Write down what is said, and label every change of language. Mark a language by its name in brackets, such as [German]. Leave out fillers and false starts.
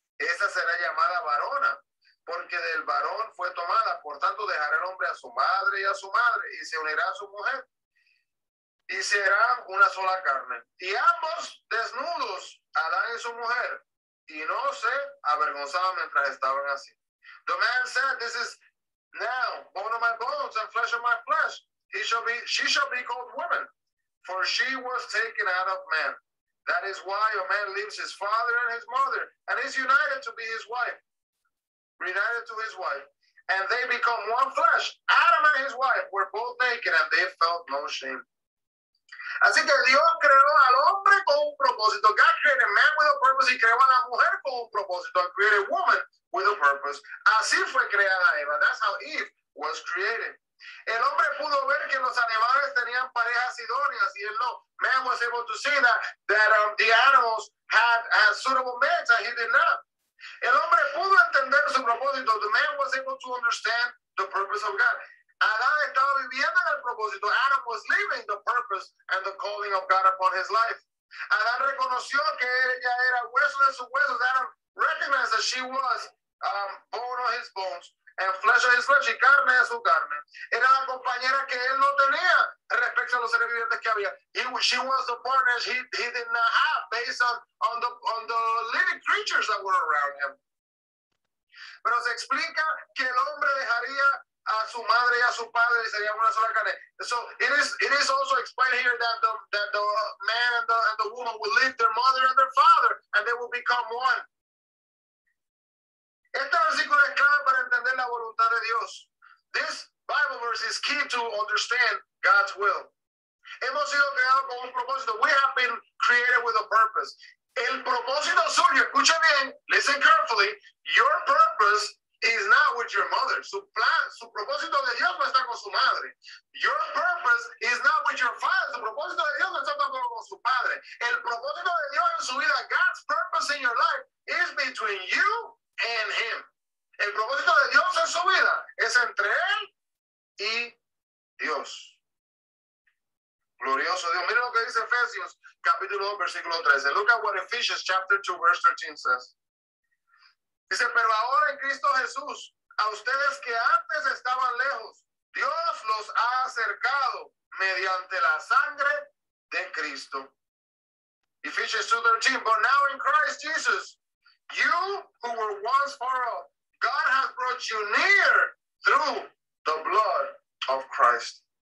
[Spanish] Esta será llamada varona, porque del varón fue tomada. Por tanto, dejará el hombre a su madre y a su madre, y se unirá a su mujer, y será una sola carne. Y ambos desnudos, Adán y su mujer, y no se avergonzaban mientras estaban así. [English] The man said, this is now bone of my bones and flesh of my flesh. She shall be called woman, for she was taken out of man. That is why a man leaves his father and his mother and is united to his wife. And they become one flesh. Adam and his wife were both naked and they felt no shame. [Spanish] Así que Dios creó al hombre con un propósito. [English] God created man with a purpose. [Spanish] Y creó a la mujer con un propósito. [English] And created woman with a purpose. [Spanish] Así fue creada Eva. [English] That's how Eve was created. [Spanish] El hombre pudo ver que los animales tenían parejas idóneas, y él no. [English] Man was able to see that the animals had suitable mates, and he did not. [Spanish] El hombre pudo entender su propósito. [English] The man was able to understand the purpose of God. [Spanish] Adán estaba viviendo en el propósito. [English] Adam was living the purpose and the calling of God upon his life. [Spanish] Adán reconoció que ella era hueso de sus huesos. [English] Adam recognized that she was bone of his bones and flesh of his flesh, [Spanish] y carne de su carne. Era la compañera que él no tenía respecto a los seres vivientes que había. [English] She was the partner he did not have based on the living creatures that were around him. [Spanish] Pero se explica que el hombre dejaría a su madre y a su padre y sería una sola carne. [English] So it is also explained here that the man and the woman will leave their mother and their father and they will become one. [Spanish] Este versículo es clave para entender la voluntad de Dios. [English] This Bible verse is key to understand God's will. [Spanish] Hemos sido creados con un propósito. [English] We have been created with a purpose. [Spanish] El propósito suyo, escucha bien, [English] listen carefully, your purpose is not with your mother. [Spanish] Su plan, su propósito de Dios no está con su madre. [English] Your purpose is not with your father. [Spanish] Su propósito de Dios no está tampoco con su padre. El propósito de Dios en su vida, [English] God's purpose in your life, is between you and him. [Spanish] El propósito de Dios en su vida es entre él y Dios. Glorioso Dios. Mira lo que dice Efesios, capítulo 2, versículo 13. [English] Look at what Ephesians, chapter 2, verse 13 says. [Spanish] Dice, pero ahora en Cristo Jesús, a ustedes que antes estaban lejos, Dios los ha acercado mediante la sangre de Cristo. [English] Ephesians 2, 13. But now in Christ Jesus, you who were once far off, God has brought you near through the blood of Christ.